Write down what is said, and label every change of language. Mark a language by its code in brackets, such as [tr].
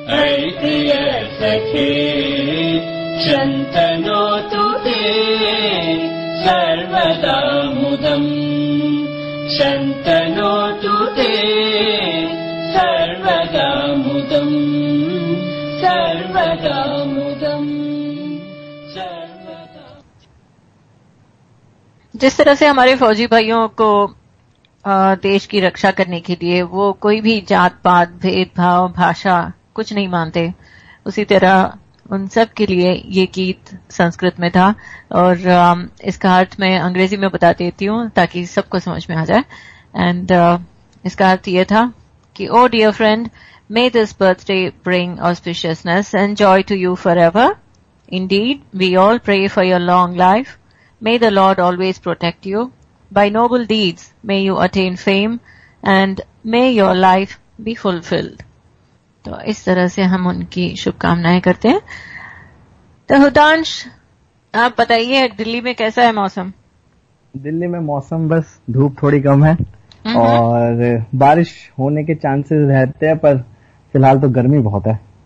[sa] ఐతియ సఖే శంతనోతు తే సర్వదా ముదం శంతనోతు తే సర్వదా ముదం సర్వదా ముదం. [hi] जिस तरह से हमारे फौजी भाइयों को देश की रक्षा करने के लिए वो कोई भी जात पात भेदभाव भाषा कुछ नहीं मानते, उसी तरह उन सब के लिए ये गीत संस्कृत में था. और इसका अर्थ मैं अंग्रेजी में बता देती हूँ ताकि सबको समझ में आ जाए. [en] and [hi] इसका अर्थ ये था कि [en] Oh dear friend may this birthday bring auspiciousness and joy to you forever. Indeed we all pray for your long life. May the Lord always protect you. By noble deeds, may you attain fame and may your life be fulfilled. [hi] तो इस तरह से हम उनकी शुभकामनाएं करते हैं. तो हुदांश, आप बताइए दिल्ली में कैसा है मौसम? दिल्ली में मौसम बस धूप थोड़ी कम है और बारिश होने के चांसेस रहते हैं, पर फिलहाल तो गर्मी बहुत है.